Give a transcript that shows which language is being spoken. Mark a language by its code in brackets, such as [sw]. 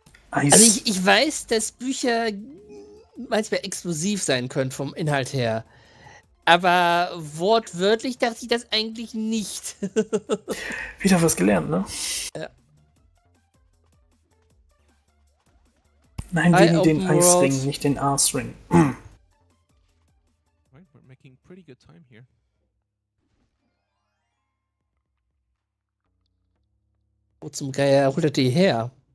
[de] Also ich weiß, dass Bücher manchmal explosiv sein können vom Inhalt her. Aber wortwörtlich dachte ich das eigentlich nicht. Wieder was gelernt, ne? Ja. Nein, den Eisring, nicht den Arsring. [en] Right, we're making pretty good time here. [de] Wo zum Geier holt er die her?